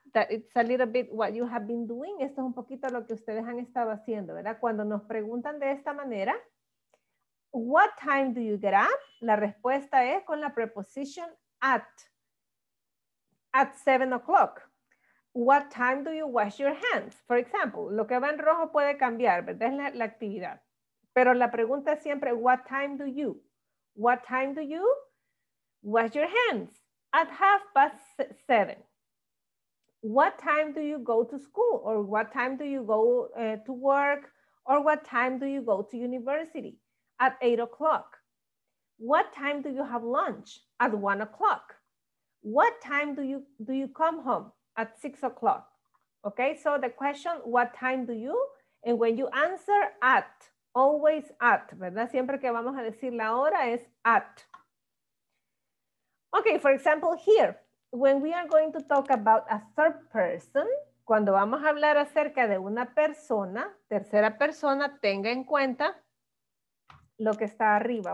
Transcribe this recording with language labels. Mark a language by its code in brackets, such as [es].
[en] That it's a little bit what you have been doing. [es] Esto es un poquito lo que ustedes han estado haciendo, ¿verdad? Cuando nos preguntan de esta manera, [en] what time do you get up? [es] La respuesta es con la preposición [en] at 7 o'clock. What time do you wash your hands? For example, [es] lo que va en rojo puede cambiar, ¿verdad? Es la actividad. Pero la pregunta es siempre, [en] what time do you? What time do you wash your hands? At 7:30. What time do you go to school? Or what time do you go to work? Or what time do you go to university? At 8 o'clock. What time do you have lunch? At 1 o'clock. What time do you come home? At 6 o'clock. Okay, so the question, what time do you? And when you answer at, always at, ¿verdad? [es] Siempre que vamos a decir la hora es at. [en] Okay, for example, here, when we are going to talk about a third person, [es] cuando vamos a hablar acerca de una persona, tercera persona, tenga en cuenta lo que está arriba.